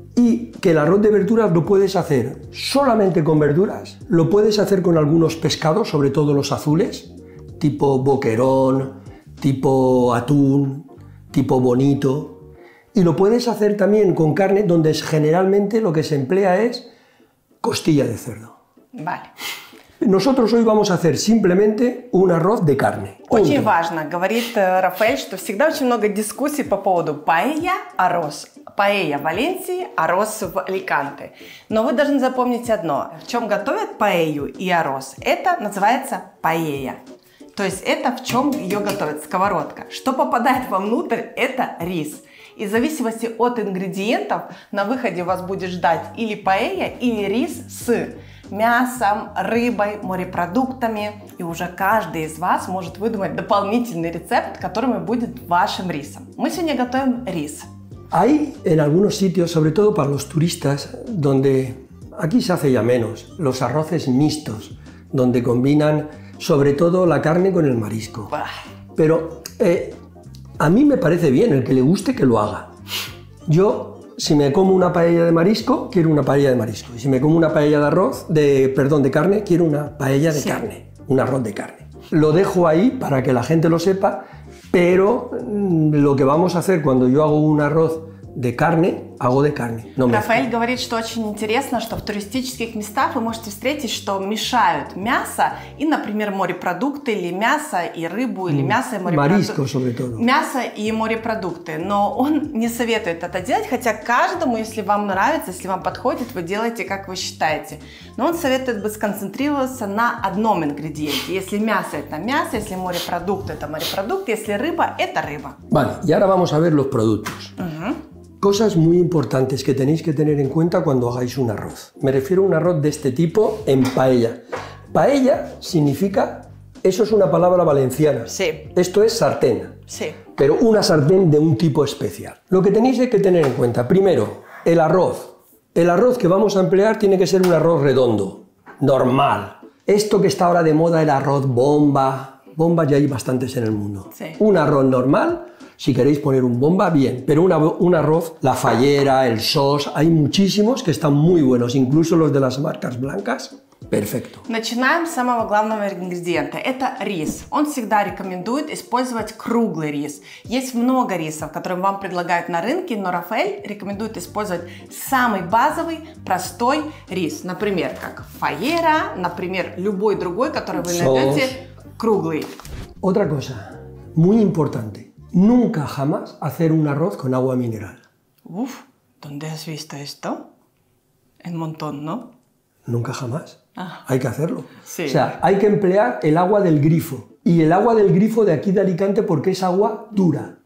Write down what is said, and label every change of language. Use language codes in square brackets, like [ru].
[es] Y que el arroz de verduras lo puedes hacer solamente con verduras, lo puedes hacer con algunos pescados, sobre todo los azules, tipo boquerón, tipo atún, tipo bonito. Y lo puedes hacer también con carne, donde generalmente lo que se emplea es costilla de cerdo. Vale. Nosotros hoy vamos a hacer simplemente un arroz de carne. [ru] Очень важно, говорит Рафаэль, что всегда очень много дискуссий по поводу паэлья, арроз. Паэлья в Валенсии, арроз в Аликанте. Но вы должны запомнить одно. В чем готовят паэлью и арроз? Это называется паэлья. То есть это в чем ее готовят? Сковородка. Что попадает вовнутрь? Это рис. И в зависимости от ингредиентов на выходе вас будет ждать или паэлья, или рис с мясом, рыбой, морепродуктами. И уже каждый из вас может выдумать дополнительный рецепт, которым и будет вашим рисом. Мы сегодня готовим рис. [es] Hay en algunos sitios, sobre todo para los turistas, donde aquí se hace ya menos, los arroces mixtos, donde combinan sobre todo la carne con el marisco. Pero a mí me parece bien, el que le guste que lo haga. Yo, si me como una paella de marisco, quiero una paella de marisco. Y si me como una paella de arroz, de carne, quiero una paella de carne, un arroz de carne. Lo dejo ahí para que la gente lo sepa. Pero lo que vamos a hacer cuando yo hago un arroz de carne, hago de carne. No me [ru] Рафаэль говорит, что очень интересно, что в туристических местах вы можете встретить, что мешают мясо и, например, морепродукты, или мясо и рыбу, или мясо и морепродукты. [es] Мариско, sobre todo. [ru] Мясо и морепродукты. Но он не советует это делать, хотя каждому, если вам нравится, если вам подходит, вы делаете, как вы считаете. Но он советует бы сконцентрироваться на одном ингредиенте. Если мясо – это мясо, если морепродукты – это морепродукт, если рыба – это рыба. [es] Vale, y ahora vamos a ver los productos. Cosas muy importantes que tenéis que tener en cuenta cuando hagáis un arroz. Me refiero a un arroz de este tipo en paella. Paella significa, eso es una palabra valenciana. Sí. Esto es sartén. Sí. Pero una sartén de un tipo especial. Lo que tenéis que tener en cuenta, primero, el arroz. El arroz que vamos a emplear tiene que ser un arroz redondo, normal. Esto que está ahora de moda, el arroz bomba. Bomba ya hay bastantes en el mundo. Sí. Un arroz normal. Si queréis poner un bomba, bien, pero un arroz, la fallera, el sos, hay muchísimos que están muy buenos, incluso los de las marcas blancas, perfecto. [ru] Начинаем с самого главного ингредиента, это рис. Он всегда рекомендует использовать круглый рис. Есть много рисов, которые вам предлагают на рынке, но Рафаэль рекомендует использовать самый базовый, простой рис. Например, как фаера, например, любой другой, который вы найдете, круглый. [es] Otra cosa, muy importante. Nunca jamás hacer un arroz con agua mineral. Uf, ¿dónde has visto esto? En montón, ¿no? Nunca jamás. Ah. Hay que hacerlo. Sí. O sea, hay que emplear el agua del grifo. Y el agua del grifo de aquí de Alicante porque es agua dura.